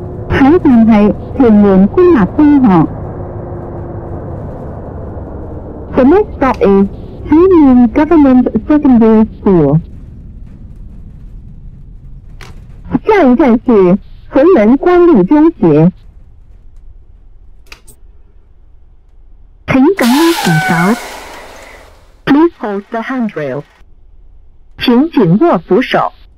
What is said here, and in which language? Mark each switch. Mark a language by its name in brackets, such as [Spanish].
[Chinese] 下一站是屯門官立中學。 [English] The next stop is 屯門 Government Secondary School。 [Chinese] 下一站是屯門官立中學。请紧握扶手。 [English] Please hold the handrail。 [Chinese] 请紧握扶手。